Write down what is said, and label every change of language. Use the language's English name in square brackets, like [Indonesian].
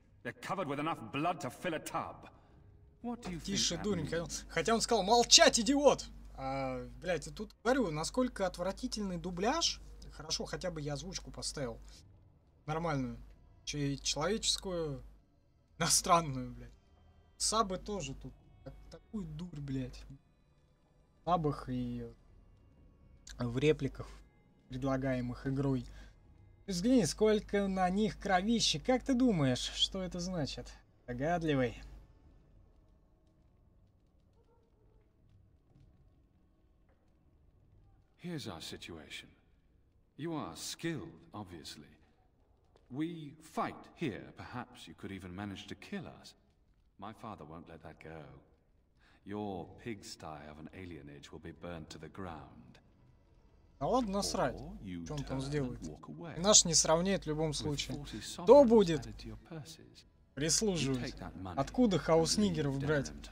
[English] They're covered with enough blood to fill a tub. What do you think? [Russian] Тише, дурень. Хотя он сказал, молчать, идиот! А, блядь, я тут говорю, насколько отвратительный дубляж. Хорошо, хотя бы я озвучку поставил. Нормальную. Человеческую. Иностранную, блядь. Сабы тоже тут. Такую дурь, блядь. В сабах и в репликах, предлагаемых игрой. Взгляни, сколько на них кровищи. Как ты думаешь, что это значит? Догадливый. [English] Here's our situation. You are skilled, obviously. We fight here. Perhaps you could even manage to kill us. My father won't let that go. Your pigsty of an alienage will be burnt to the ground. [Russian] А ладно, насрать, что он там сделает. Наш не сравняет в любом случае. Кто будет? Прислуживать. Откуда хаос нигеров брать?